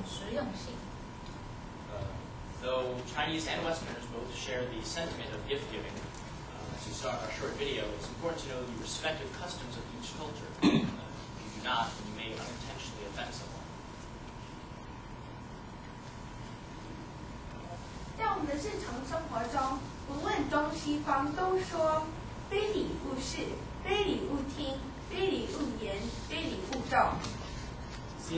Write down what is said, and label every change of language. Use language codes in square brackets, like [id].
[zh] 但是中西方送礼有些不同，西方人送礼物常需要有一笔大预算，也很注重包装。中国人却比较注重实用性。Though [en] Chinese and Westerners both share the sentiment of gift giving, as you saw in our short video, it's important to know the respective customs of each culture. If you do not, you may unintentionally offend someone. [zh] 在我们的日常生活中，不论中西方，都说非礼勿视、非礼勿听、非礼勿言、非礼勿重。See